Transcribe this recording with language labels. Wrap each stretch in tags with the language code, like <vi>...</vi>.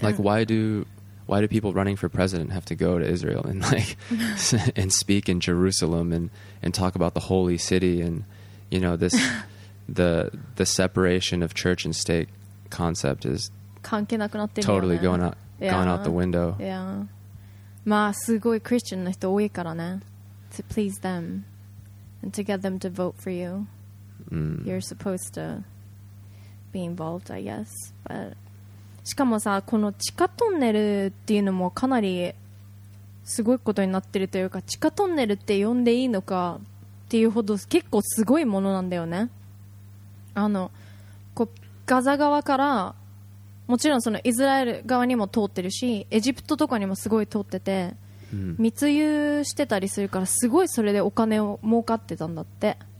<en>Like, why do people running for president have to go to Israel and, like, and speak in Jerusalem and talk about the holy city and, you know, this, the separation of church and state concept is...</en> <ja>関係なくなってるよね。</ja> <en>Totally gone out the window. Yeah.</en> <ja>まあすごいクリスチャンの人多いからね。</ja> <en>To please them and to get them to vote for you. You're supposed to be involved, I guess.</en> <ja>But しかもさ、この地下トンネルっていうのもかなりすごいことになってるというか、地下トンネルって呼んでいいのかっていうほど結構すごいものなんだよね。あの、こうガザ側からもちろんそのイスラエル側にも通ってるし、エジプトとかにもすごい通ってて、密輸してたりするからすごいそれでお金を儲かってたんだって。</ja>